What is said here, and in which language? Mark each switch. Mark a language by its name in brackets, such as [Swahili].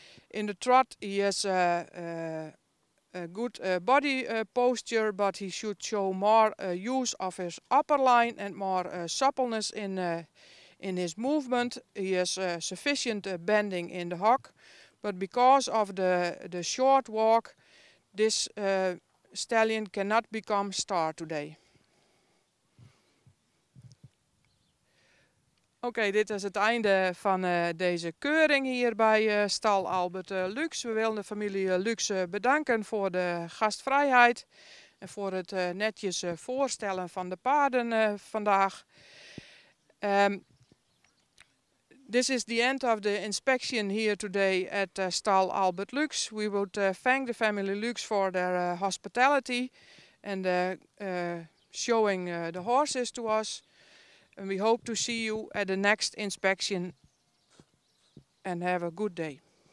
[English] In the trot he has a good body posture, but he should show more use of his upper line and more suppleness in his movement. He has sufficient bending in the hock, but because of the short walk, this stallion cannot become star today. [Dutch] Okay, dit is het einde van deze keuring hier bij stal Albert Lux. We willen de familie Lux bedanken voor de gastvrijheid en voor het netjes voorstellen van de paarden vandaag. [English] This is the end of the inspection here today at stal Albert Lux. We would thank the family Lux for their hospitality and showing the horses to us. And we hope to see you at the next inspection and have a good day.